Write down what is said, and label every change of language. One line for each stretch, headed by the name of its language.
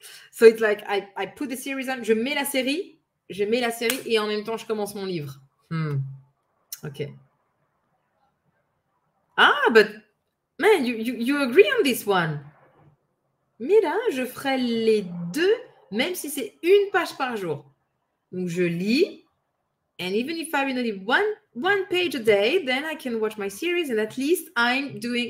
English: So it's like, I put the series on.
French: Je mets la série et en même temps, je commence mon livre.
English: Ok. Ah, but man, you agree on this one.
French: Mais là, je ferai les deux, même si c'est une page par jour. Donc, je lis.
English: And even if I read only one page a day, then I can watch my series and at least I'm doing...